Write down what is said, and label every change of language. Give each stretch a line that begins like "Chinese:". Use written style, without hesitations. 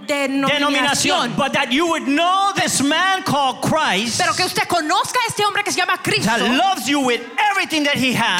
English: denominación, but that you would know this man called Christ,
Spanish: pero que usted conozca a este hombre que se llama Cristo,
English: that loves you with everything that he has,